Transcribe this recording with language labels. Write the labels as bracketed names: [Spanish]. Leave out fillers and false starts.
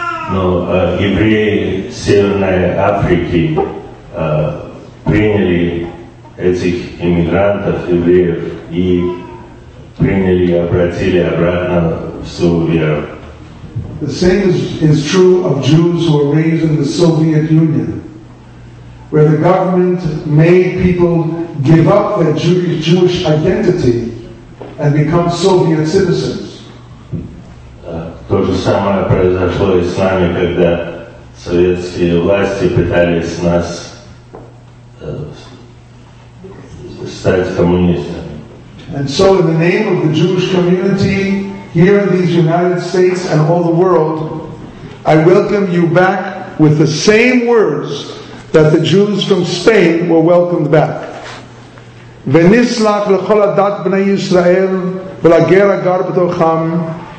[Russian] Но евреи Северной Африки приняли этих иммигрантов, евреев, и приняли и обратили обратно в свою веру. [English] The same is true of Jews who were raised in the Soviet Union, where the government made people give up their Jewish identity and become Soviet citizens. [Russian] То же самое произошло и с нами, когда советские власти пытались нас стать коммунистами. [English] And so in the name of the Jewish community here in these United States and all the world, I welcome you back with the same words that the Jews from Spain were welcomed back. [Hebrew] Venislach l'chol adat b'nai Yisrael v'lager agar b'docham.